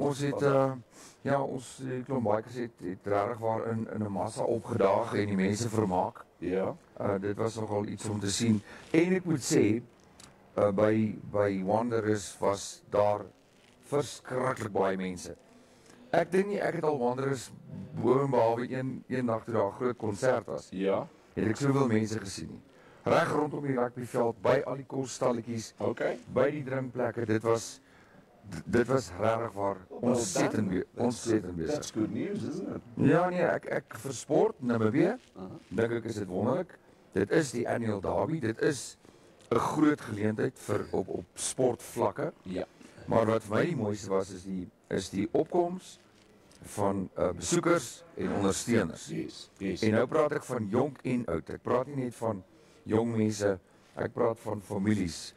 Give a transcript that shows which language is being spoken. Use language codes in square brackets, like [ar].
[af] Ons het ons klombaikers het regtig waar in 'n massa opgedaag en die mense vermaak. Ja. Dit was nogal iets om te sien. En ek moet sê, by Wanderers was daar verskriklik baie mense. Ek dink nie ek het al Wanderers bo en behalwe een dag toe daar groot konsert was. Ja. Het ek soveel mense gesien nie. Reg rondom die rugbyveld, by al die koolstalletjies, okay. By die drinkplekke, dit was regtig waar ontsettend besig. [en] That's good news, isn't it? [af] Ja, nee, ek versport Namibia, dink ek is dit wonderlik. Dit is die annual derby, dit is 'n groot geleentheid vir op sportvlakke. Ja. Maar wat vir my die mooiste was, is die opkoms van besoekers en ondersteuners. [en] Yes, yes. [af] En nou praat ek van jong en oud, ek praat nie net van jong mense, ek praat van families.